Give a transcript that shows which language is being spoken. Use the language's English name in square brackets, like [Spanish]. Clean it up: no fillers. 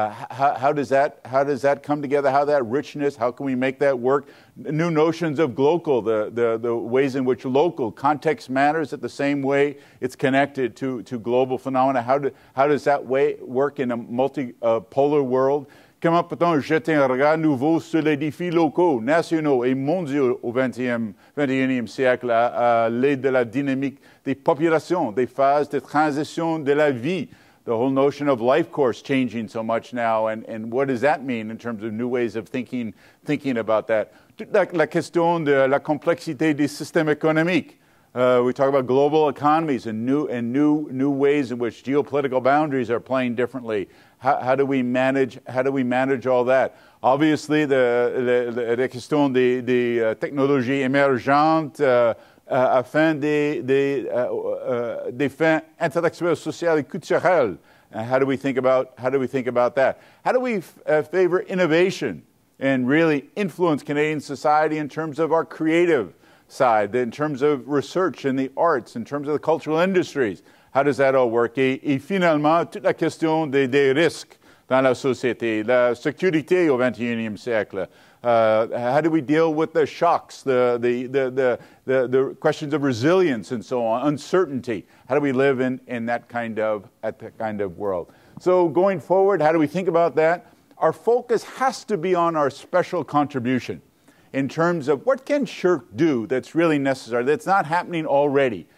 [English] How does that come together? How that richness, how can we make that work? New notions of local, the ways in which local context matters at the same way it's connected to global phenomena. How does that way work in a multipolar world? [French] Comment peut-on jeter un regard nouveau sur les défis locaux, nationaux et mondiaux au XXIe siècle à l'aide de la dynamique des populations, des phases de transition de la vie? [English] The whole notion of life course changing so much now, and what does that mean in terms of new ways of thinking about that? [French] La question de la complexité des systèmes économiques. [English] We talk about global economies and new ways in which geopolitical boundaries are playing differently. How do we manage all that? Obviously, the question [French] de technologies émergentes afin des fins intellectuelles, sociales et culturelles. [English] How do we think about that? How do we favor innovation and really influence Canadian society in terms of our creative side, in terms of research and the arts, in terms of the cultural industries? How does that all work? [French] Et finalement, toute la question des risques dans la société, la sécurité au XXIe siècle. [English] How do we deal with the shocks, the questions of resilience and so on, uncertainty? How do we live in that kind of at that kind of world? So going forward, how do we think about that? Our focus has to be on our special contribution in terms of what can CHIRC do that's really necessary, that's not happening already.